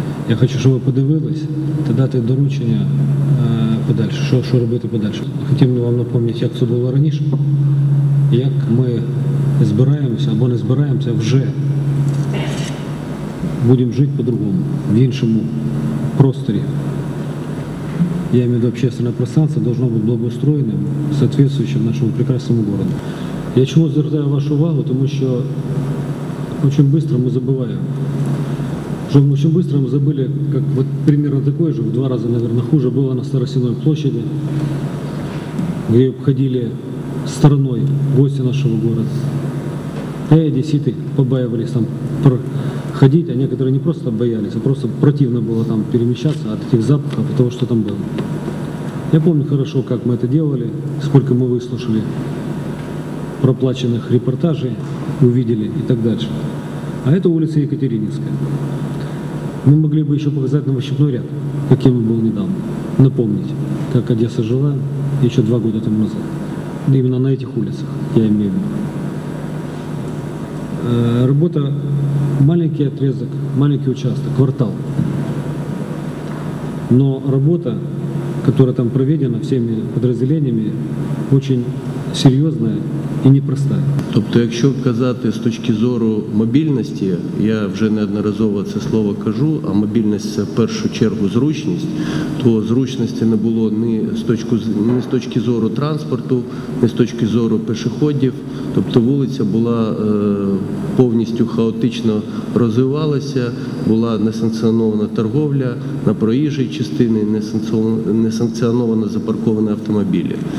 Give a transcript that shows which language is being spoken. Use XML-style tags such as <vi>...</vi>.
<uk>Я хочу, щоб ви подивились та дати доручення подальше, що робити подальше. Хотів би вам напомнити, як це було раніше, як ми збираємося або не збираємося вже. Будемо жити по-другому, в іншому просторі.</uk> <ru>Я имею в виду, общественное пространство должно быть благоустроенным, соответствующим нашему прекрасному городу.</ru> <uk>Я чому звертаю вашу увагу? Тому що дуже швидко ми забуваємо. Що дуже швидко ми забули, як от приблизно таке ж, в два рази, мабуть, хуже було на Старосіновій площі, де обходили стороною гості нашого міста. Та й одесити побоювалися там ходить,</uk> <ru>а некоторые не просто боялись, а просто противно было там перемещаться от этих запахов, от того, что там было. Я помню хорошо, как мы это делали, сколько мы выслушали проплаченных репортажей, увидели и так дальше. А это улица Екатерининская. Мы могли бы еще показать Новощерпневый ряд, каким он был недавно. Напомнить, как Одесса жила еще два года тому назад. Именно на этих улицах, я имею в виду. Работа маленький отрезок, маленький участок, квартал. Но работа, которая там проведена всеми подразделениями, очень серьезная и непростая.</ru> <uk>Тобто, якщо казати з точки зору мобільності, я вже неодноразово це слово кажу, а мобільність – це в першу чергу зручність, то зручності не було ні з точки зору транспорту, ні з точки зору пішоходів. Тобто вулиця була повністю хаотично розвивалася, була несанкціонована торговля на проїжджій частині, несанкціоновано запарковані автомобілі.</uk>